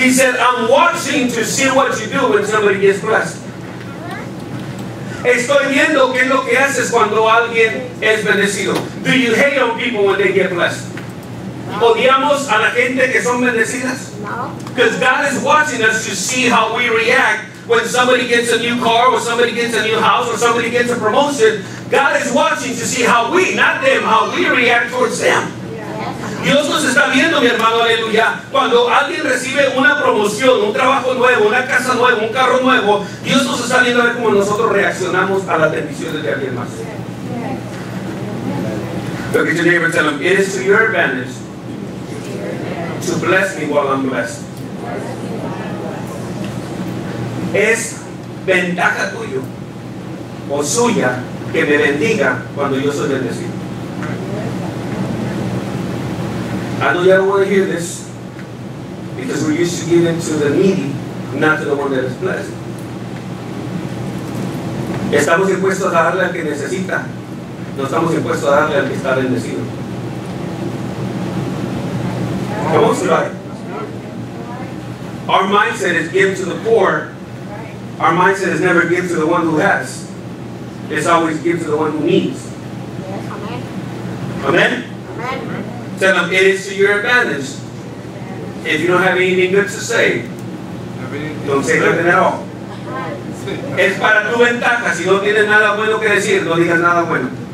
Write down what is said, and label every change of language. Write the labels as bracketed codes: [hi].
[en] He said, "I'm watching to see what you do when somebody gets blessed." [es] Estoy viendo qué es lo que haces cuando alguien es bendecido. [en] Do you hate on people when they get blessed? [es] No. ¿Odiamos a la gente que son bendecidas? No. [en] Because God is watching us to see how we react when somebody gets a new car, or somebody gets a new house, or somebody gets a promotion. God is watching to see how we, not them, how we react towards them. [es] Dios nos está viendo, mi hermano, aleluya. Cuando alguien recibe una promoción, un trabajo nuevo, una casa nueva, un carro nuevo, Dios nos está viendo a ver cómo nosotros reaccionamos a las bendiciones de alguien más. [en] Look at your neighbor and tell him, "It is to your advantage to bless me while I'm blessed." [es] es ventaja tuyo o suya que me bendiga cuando yo soy bendecido. [en] I know you don't want to hear this because we're used to giving to the needy, not to the one that is blessed. [es] Estamos dispuestos a darle al que necesita, no estamos dispuestos a darle al que está bendecido. [en] Come on, somebody. Our mindset is give to the poor. Our mindset is never give to the one who has. It's always give to the one who needs. Amen. Tell them it is to your advantage. If you don't have anything good to say, don't say nothing at all. [es] Es para tu ventaja. Si no tienes nada bueno que decir, no digas nada bueno.